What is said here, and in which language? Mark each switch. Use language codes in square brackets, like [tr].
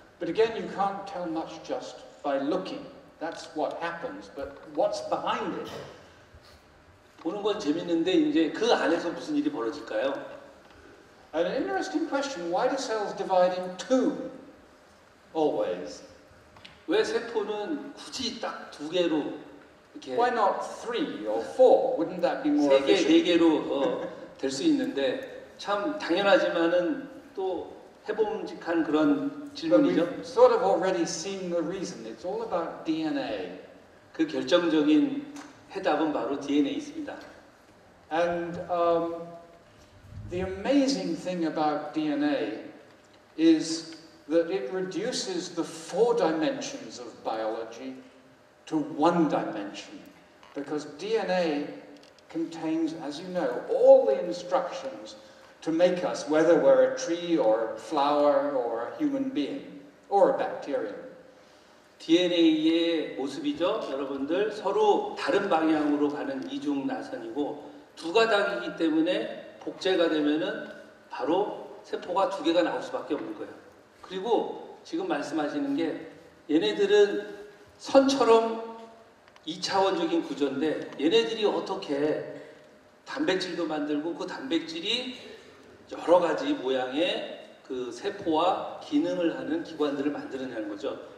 [en] But again, you can't tell much just by looking. That's what happens. But what's behind it? [ko] 보는 건 재밌는데 이제 그 안에서 무슨 일이 벌어질까요? [en] An interesting question. Why do cells divide in two? Always. [ko] 왜 세포는 굳이 딱 두 개로 이렇게? [en] Why not three or four? Wouldn't that be more efficient? [ko] 세 개, 네 개로 될 수 있는데 참 당연하지만은 또 해봄직한 그런 질문이죠. [en] But we've sort of already seen the reason. It's all about DNA. [ko] 그 결정적인 해답은 바로 DNA입니다. [en] And the amazing thing about DNA is that it reduces the four dimensions of biology to one dimension. Because DNA contains, as you know, all the instructions to make us, whether we're a tree or a flower or a human being or a bacterium. [ko] DNA의 모습이죠, 여러분들. 서로 다른 방향으로 가는 이중 나선이고, 두 가닥이기 때문에 복제가 되면은 바로 세포가 두 개가 나올 수밖에 없는 거예요. 그리고 지금 말씀하시는 게 얘네들은 선처럼 2차원적인 구조인데 얘네들이 어떻게 단백질도 만들고 그 단백질이 여러 가지 모양의 그 세포와 기능을 하는 기관들을 만드느냐는 거죠.